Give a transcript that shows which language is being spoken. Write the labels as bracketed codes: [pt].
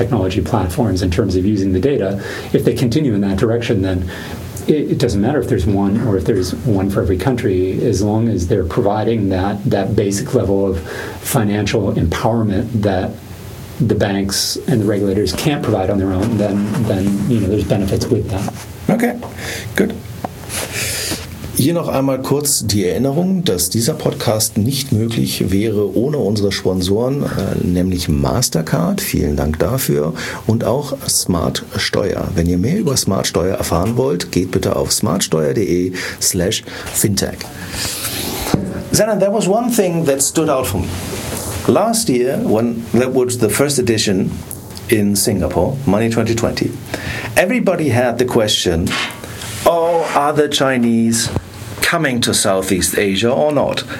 [en] technology platforms in terms of using the data, if they continue in that direction, then it doesn't matter if there's one or if there's one for every country, as long as they're providing that basic level of financial empowerment that the banks and the regulators can't provide on their own, then there's benefits with that. Okay, good. [de] Hier noch einmal kurz die Erinnerung, dass dieser Podcast nicht möglich wäre ohne unsere Sponsoren, nämlich Mastercard, vielen Dank dafür, und auch Smart Steuer. Wenn ihr mehr über Smart Steuer erfahren wollt, geht bitte auf smartsteuer.de/fintech. [en] Zenon, there was one thing that stood out for me. Last year, when that was the first edition in Singapore, Money 2020, everybody had the question, oh, are the Chinese coming to Southeast Asia or not?